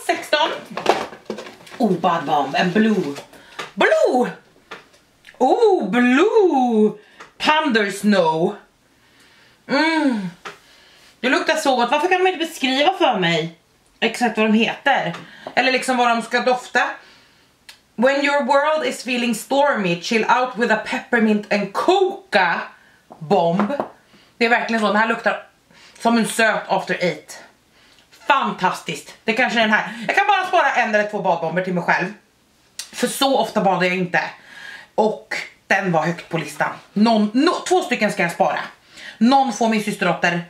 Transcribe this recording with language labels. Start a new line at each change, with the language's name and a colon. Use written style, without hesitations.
English: 16. Oh, bad bomb. En blue. Blue! Oh, blue! Thunder snow. Mm.
Swedish: Det luktar så gott. Varför kan de inte beskriva för mig exakt vad de heter? Eller liksom vad de ska dofta?
English: When your world is feeling stormy, chill out with a peppermint and coca bomb.
Swedish: Det är verkligen så. Den här luktar som en söt after eight. Fantastiskt. Det kanske är den här. Jag kan bara spara en eller två badbomber till mig själv. För så ofta badar jag inte. Och den var högt på listan. Två stycken ska jag spara. Någon får min systerdotter.